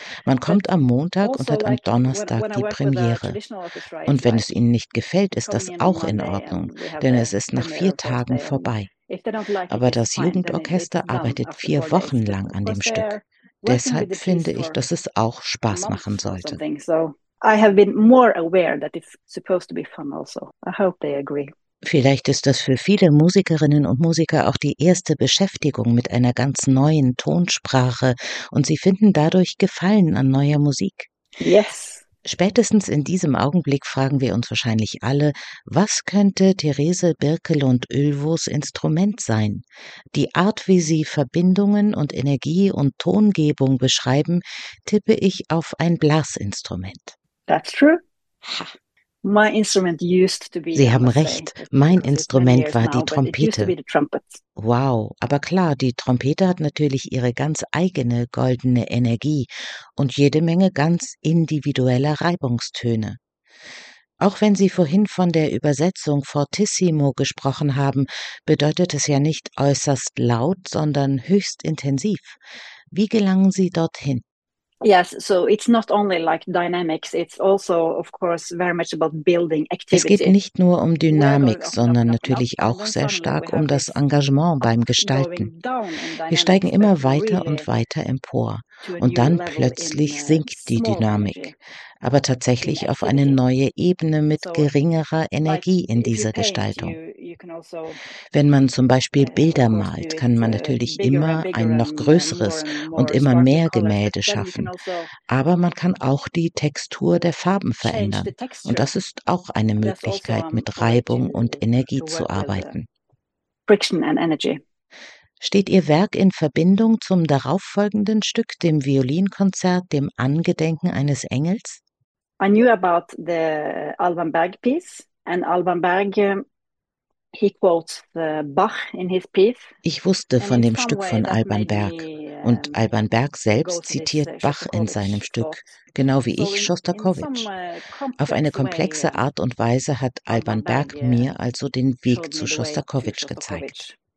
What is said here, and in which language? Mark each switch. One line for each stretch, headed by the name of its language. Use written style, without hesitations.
German: Man kommt am Montag und hat am Donnerstag die Premiere. Und wenn es Ihnen nicht gefällt, ist das auch in Ordnung, denn es ist nach 4 Tagen vorbei. Aber das Jugendorchester arbeitet 4 Wochen lang an dem Stück. Deshalb finde ich, dass es auch Spaß machen sollte.
English: I have been more aware that it's supposed to be fun also. I hope they agree.
German: Vielleicht ist das für viele Musikerinnen und Musiker auch die erste Beschäftigung mit einer ganz neuen Tonsprache und sie finden dadurch Gefallen an neuer Musik.
English: Yes.
German: Spätestens in diesem Augenblick fragen wir uns wahrscheinlich alle, was könnte Therese Birkelund-Ulvaeus Instrument sein? Die Art, wie sie Verbindungen und Energie und Tongebung beschreiben, tippe ich auf ein Blasinstrument.
English: That's true. Ha. My instrument used to be,
German: Sie haben recht, mein Instrument war die Trompete.
English: Now,
German: wow, aber klar, die Trompete hat natürlich ihre ganz eigene goldene Energie und jede Menge ganz individueller Reibungstöne. Auch wenn Sie vorhin von der Übersetzung fortissimo gesprochen haben, bedeutet es ja nicht äußerst laut, sondern höchst intensiv. Wie gelangen Sie dorthin?
English: Yes, so it's not only like dynamics, it's also of course very much about building activity.
German: Es geht nicht nur um Dynamik, sondern natürlich auch sehr stark um das Engagement beim Gestalten. Wir steigen immer weiter und weiter empor und dann plötzlich sinkt die Dynamik, aber tatsächlich auf eine neue Ebene mit geringerer Energie in dieser Gestaltung. Wenn man zum Beispiel Bilder malt, kann man natürlich immer ein noch größeres und immer mehr Gemälde schaffen. Aber man kann auch die Textur der Farben verändern. Und das ist auch eine Möglichkeit, mit Reibung und Energie zu arbeiten. Steht Ihr Werk in Verbindung zum darauffolgenden Stück, dem Violinkonzert, dem Angedenken eines Engels?
English: I knew about the Alban Berg piece and Alban Berg. He quotes Bach in his piece.
German: Ich wusste von dem Stück von Alban Berg und Alban Berg selbst zitiert Bach in seinem Stück, genau wie ich Schostakowitsch. Auf eine komplexe Art und Weise hat Alban Berg mir also den Weg zu Schostakowitsch gezeigt.